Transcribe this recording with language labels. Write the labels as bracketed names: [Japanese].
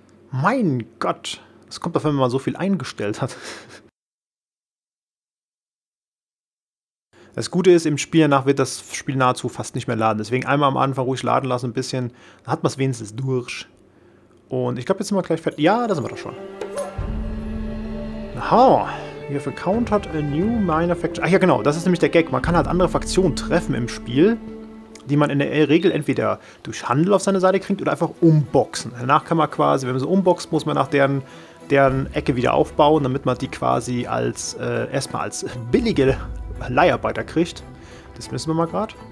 [German] Mein Gott. Was kommt davon, wenn man so viel eingestellt hat? Das Gute ist, im Spiel danach wird das Spiel nahezu fast nicht mehr laden. Deswegen einmal am Anfang ruhig laden lassen, ein bisschen. Dann hat man es wenigstens durch. Und ich glaube, jetzt sind wir gleich fertig. Ja, da sind wir doch schon. Aha. [English] You have encountered a new minor faction. [German] Ach ja, genau. Das ist nämlich der Gag. Man kann halt andere Fraktionen treffen im Spiel, die man in der Regel entweder durch Handel auf seine Seite kriegt oder einfach umboxen. Danach kann man quasi, wenn man so umboxt, muss man nach deren Ecke wieder aufbauen, damit man die quasi als erstmal als billige Leiharbeiter kriegt. Das müssen wir mal gerade.